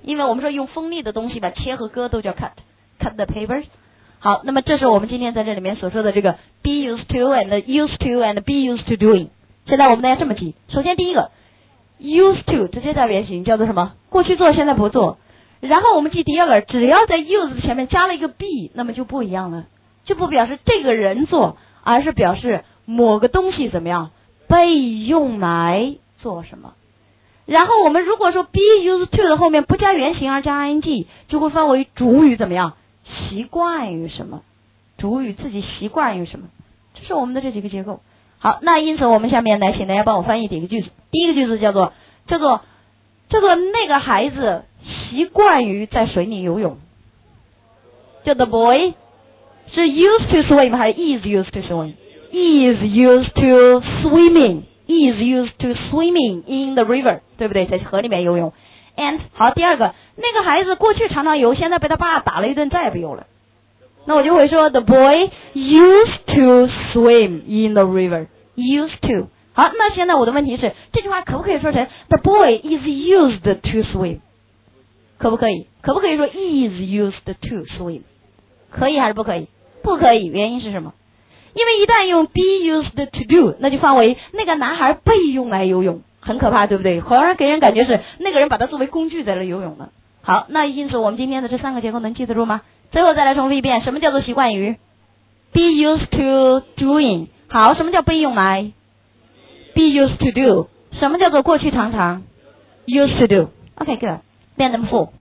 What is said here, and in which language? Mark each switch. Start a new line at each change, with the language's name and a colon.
Chinese: 因为我们说用锋利的东西吧，切和割都叫
English: cut the paper。
Chinese: 好，那么这是我们今天在这里面所说的这个 be used to and used to and be used to doing。现在我们大家这么记，首先第一个 used to 直接加原形叫做什么？过去做，现在不做。然后我们记第二个，只要在 use 前面加了一个 be， 那么就不一样了，就不表示这个人做，而是表示某个东西怎么样被用来做什么。然后我们如果说 be used to 的后面不加原形而加 ing， 就会分为主语怎么样习惯于什么，主语自己习惯于什么，这是我们的这几个结构。好，那因此我们下面来请大家帮我翻译几个句子。第一个句子叫做那个孩子习惯于在水里游泳，叫
English: the boy
Chinese: 是 used to swim 还是
English: is used to swim？ is used to swimming， is used to swimming in the river， 对不对？
Chinese: 在河里面游泳。 And 好，第二个，那个孩子过去常常游，现在被他爸打了一顿，再也不游了。那我就会说
English: the boy used to swim in the river， used to。
Chinese: 好，那现在我的问题是，这句话可不可以说成
English: the boy is used to swim？
Chinese: 可不可以？可不可以说 is used to swim？可以还是不可以？不可以。原因是什么？因为一旦用 be used to do， 那就范围那个男孩被用来游泳，很可怕，对不对？好像给人感觉是那个人把他作为工具在那游泳的。好，那因此我们今天的这三个结构能记得住吗？最后再来重复一遍，什么叫做习惯于？
English: be used to doing。
Chinese: 好，什么叫被用来？
English: be used to do。
Chinese: 什么叫做过去常常？
English: used to do。 OK good，
Chinese: 变成
English: full。